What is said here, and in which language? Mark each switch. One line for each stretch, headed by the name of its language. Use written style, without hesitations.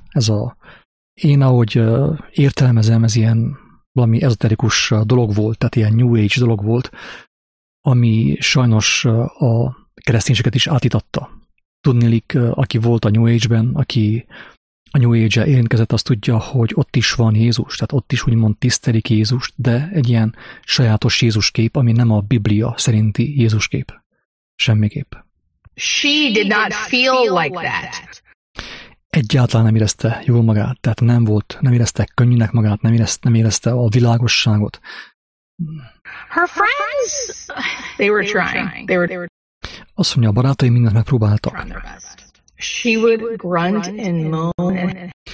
Hungarian: Ez a, én ahogy értelmezem, ez ilyen valami ezoterikus dolog volt, tehát ilyen New Age dolog volt, ami sajnos a kereszténységet is átitatta. Tudnélik, aki volt a New Age-ben, aki a New Age-el érintkezett, azt tudja, hogy ott is van Jézus, tehát ott is úgymond tisztelik Jézust, de egy ilyen sajátos Jézus kép, ami nem a Biblia szerinti Jézus kép. Semmiképp.
English: She did not feel like that.
Hungarian: Egyáltalán nem érezte jól magát, tehát nem volt, nem érezte könnyűnek magát, nem érezte a világosságot.
English: Her friends, they were trying.
Hungarian: Azt mondja, a barátai mindent megpróbáltak.
English: She would grunt and moan.